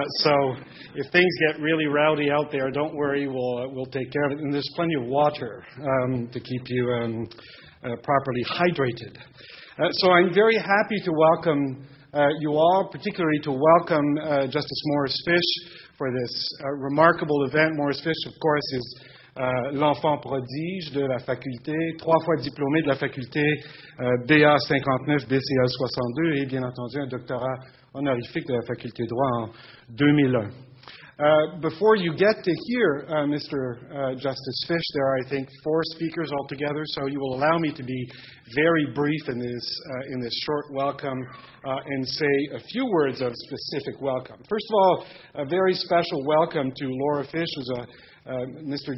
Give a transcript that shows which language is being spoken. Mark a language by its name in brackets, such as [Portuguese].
[English] So if things get really rowdy out there, don't worry, we'll take care of it. And there's plenty of water to keep you properly hydrated. So I'm very happy to welcome you all, particularly to welcome Justice Morris Fish for this remarkable event. [French] Morris Fish, [English] of course, is [French] l'enfant prodige de la faculté, trois fois diplômé de la faculté BA 59, BCL 62, et bien entendu un doctorat honorifique de la faculté de droit en 2001. [English] Before you get to hear Mr. Justice Fish, there are, I think, four speakers altogether, so you will allow me to be very brief in this short welcome and say a few words of specific welcome. First of all, a very special welcome to Laura Fish, who's Mr.